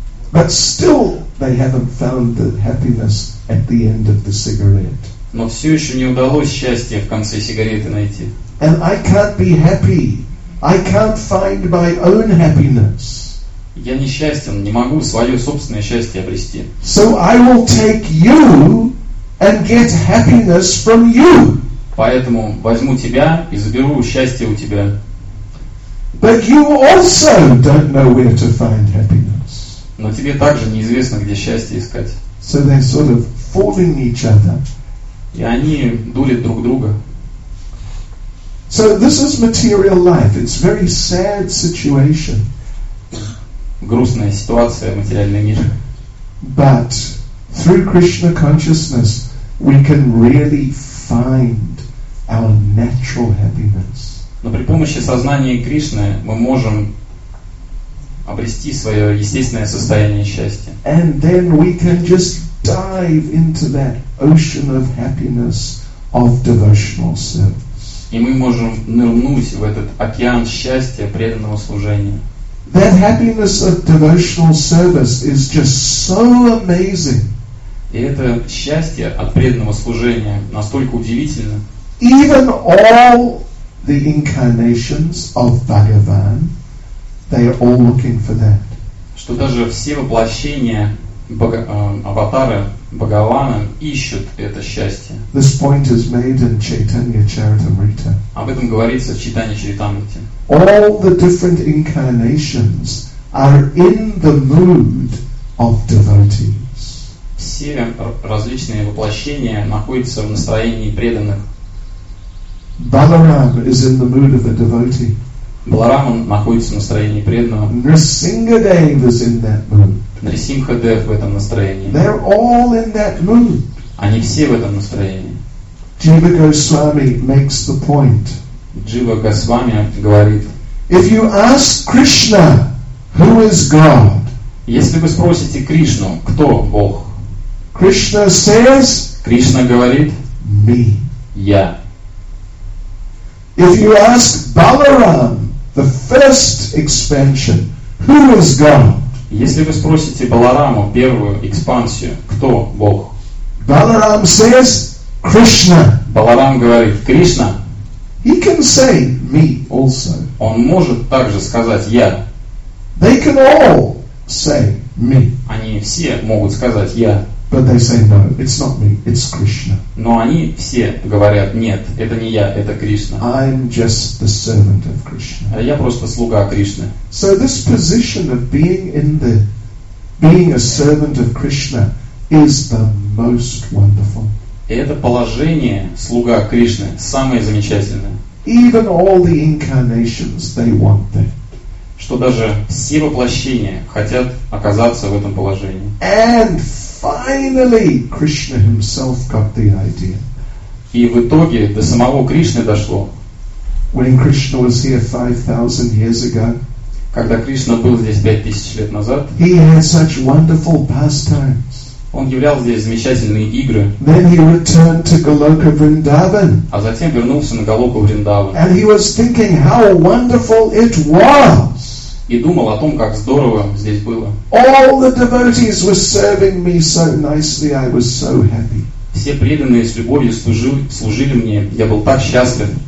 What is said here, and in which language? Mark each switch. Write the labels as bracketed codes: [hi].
[en] But still, they haven't found the happiness at the end of the cigarette. [ru] Но все еще не удалось счастье в конце сигареты найти. [en] And I can't be happy. I can't find my own happiness. [ru] Я несчастен, не могу свое собственное счастье обрести. [en] So I will take you and get happiness from you. [ru] Поэтому возьму тебя и заберу счастье у тебя. [en] But you also don't know where to find happiness. [ru] Но тебе также неизвестно, где счастье искать. [en] So they're sort of fooling each other. [ru] И они дурят друг друга. [en] So this is material life. It's very sad situation. [ru] Грустная ситуация в материальном мире. [en] But through Krishna consciousness, we can really find our natural happiness. [ru] Но при помощи сознания Кришны мы можем обрести свое естественное состояние счастья. [en] And then we can just dive into that ocean of happiness of devotional service. [ru] И мы можем нырнуть в этот океан счастья преданного служения. [en] That happiness of devotional service is just so amazing. [ru] И это счастье от преданного служения настолько удивительно. [en] Even all the incarnations of Bhagavan, they are all looking for that. [ru] Что даже все воплощения аватары Бхагавана ищут это счастье. [en] This point is made in Chaitanya Charitamrita. [ru] Об этом говорится в Чайтанья Чаритамрите. [en] All the different incarnations are in the mood of devotees. [ru] Все различные воплощения находятся в настроении преданных. [en] Balaram is in the mood of a devotee. [ru] Баларама находится в настроении преданного. [en] Нрисингхадев is in that mood. [ru] Нрисимхадев в этом настроении. [en] They're all in that mood. [ru] Они все в этом настроении. [en] Jiva Goswami makes the point. [ru] Jiva Goswami говорит: [en] If you ask Krishna, who is God? [ru] Если вы спросите Кришну, кто Бог? [en] Krishna says. [ru] Кришна говорит: [en] Me. [ru] Я. [en] If you ask Balaram, the first expansion, who is God? [ru] Если вы спросите Балараму первую экспансию, кто Бог? [en] Balaram says Krishna. [ru] Баларам говорит Кришна. [en] He can say me also. [ru] Он может также сказать я. [en] They can all say me. [ru] Они все могут сказать я. [en] But they say no, it's not me, it's Krishna. [ru] Но они все говорят нет, это не я, это Кришна. [en] I'm just the servant of Krishna. [ru] Я просто слуга Кришны. [en] So this position of being a servant of Krishna is the most wonderful. [ru] Это положение слуга Кришны самое замечательное. [en] Even all the incarnations they want that. [ru] Что даже все воплощения хотят оказаться в этом положении. [en] And finally, Krishna himself got the idea. [ru] И в итоге до самого Кришны дошло. [en] When Krishna was here 5,000 years ago, [ru] когда Кришна был здесь 5000 лет назад, [en] he had such wonderful pastimes. [ru] Он являл здесь замечательные игры. [en] Then he returned to Goloka Vrindavan. [ru] А затем вернулся на Голоку Вриндаван. [en] And he was thinking how wonderful it was. [ru] И думал о том, как здорово здесь было. [en] All the devotees were serving me so nicely, I was so happy. [ru] Все преданные с любовью служили мне, я был так счастлив.